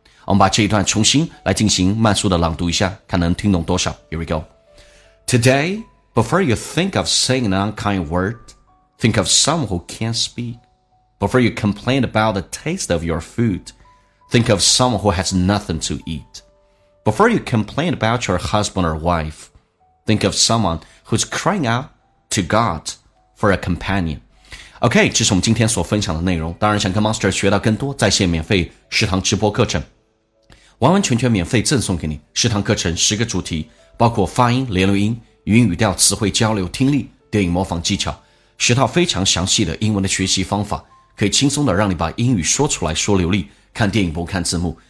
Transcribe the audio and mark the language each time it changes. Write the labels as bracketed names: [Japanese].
[Chinese] 我们把这一段重新来进行慢速的朗读一下，看能听懂多少。 [English] Here we go。 Today before you think of saying an unkind word, think of someone who can't speak. Before you complain about the taste of your food, think of someone who has nothing to eatBefore you complain about your husband or wife, think of someone who's crying out to God for a companion. [Chinese] OK, 这是我们今天所分享的内容。当然想跟 Monster 学到更多在线免费食堂直播课程，完完全全免费赠送给你。食堂课程十个主题，包括发音、连读音、语音语调、词汇交流、听力、电影模仿技巧，十套非常详细的英文的学习方法，可以轻松的让你把英语说出来说流利，看电影不看字幕。